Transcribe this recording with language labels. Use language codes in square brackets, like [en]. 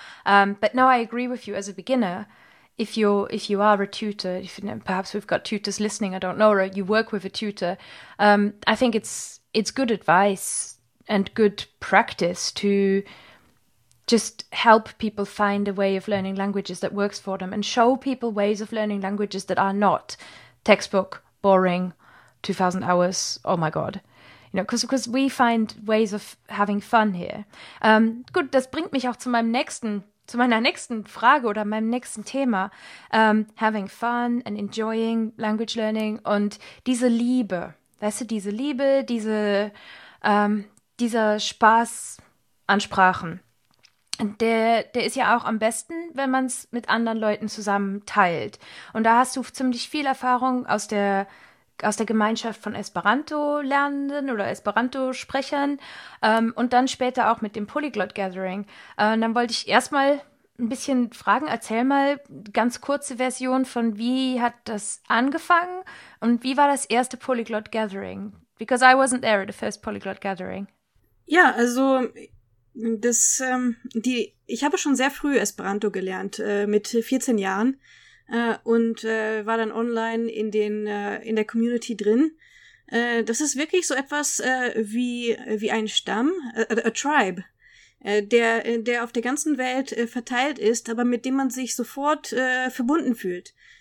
[en] But no, I agree with you. As a beginner, if you are a tutor, if, you know, perhaps we've got tutors listening, I don't know, or you work with a tutor, I think it's good advice and good practice to just help people find a way of learning languages that works for them and show people ways of learning languages that are not textbook, boring, 2,000 hours, oh my God. You know, because we find ways of having fun here. [de] Gut, das bringt mich auch zu meiner nächsten Frage oder meinem nächsten Thema. [en] Having fun and enjoying language learning [de] und diese Liebe, weißt du, diese Liebe, diese dieser Spaß an Sprachen, der ist ja auch am besten, wenn man es mit anderen Leuten zusammen teilt. Und da hast du ziemlich viel Erfahrung aus der Gemeinschaft von Esperanto-Lernenden oder Esperanto-Sprechern und dann später auch mit dem Polyglot-Gathering. Und dann wollte ich erstmal ein bisschen fragen, erzähl mal ganz kurze Version von wie hat das angefangen und wie war das erste Polyglot-Gathering? [en] Because I wasn't there at the first Polyglot-Gathering. [de] Ja, also das ich habe schon sehr früh Esperanto gelernt, mit 14 Jahren. Und war dann online in der Community drin. Das ist wirklich so etwas wie ein Stamm, [en] a tribe, [de] der auf der ganzen Welt verteilt ist, aber mit dem man sich sofort verbunden fühlt.